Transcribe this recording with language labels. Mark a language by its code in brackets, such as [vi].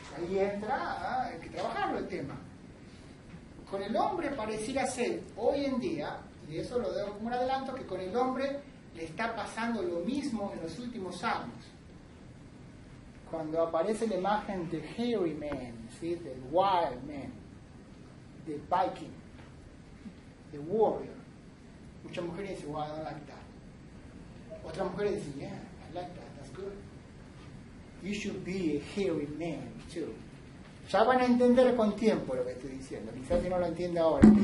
[es] Ahí entra, hay que trabajarlo el tema. Con el hombre pareciera ser hoy en día, y eso lo debo como un adelanto, que con el hombre le está pasando lo mismo en los últimos años. Cuando aparece la imagen de Hairy Man, ¿sí? Del Wild Man, del Viking, the Warrior, muchas mujeres dicen, [en] wow, I don't like that. [es] Otras mujeres dicen, [en] yeah, I like that, that's good. You should be a Hairy Man, too. [es] Ya van a entender con tiempo lo que estoy diciendo, quizás si no lo entienda ahora.